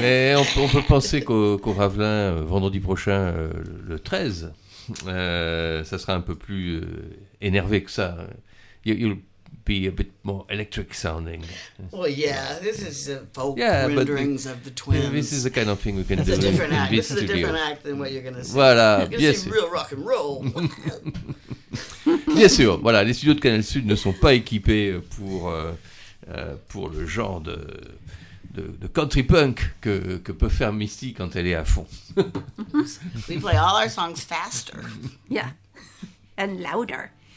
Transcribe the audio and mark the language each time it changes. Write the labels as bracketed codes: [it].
[fr] Mais on peut penser qu'au Ravelin, vendredi prochain, le 13, ça sera un peu plus énervé que ça. [en] You'll be a bit more electric sounding. Well, yeah, this is the folk renderings of the twins. This is the kind of thing we can do. It's a different act. This is studio. A different act than what you're going to see. [fr] Voilà. [en] You're going to see real rock and roll. [fr] Bien sûr. Voilà, les studios de Canal Sud ne sont pas équipés pour le genre de country punk que peut faire Misty quand elle est à fond. [en] We play all our songs faster. Yeah. And louder.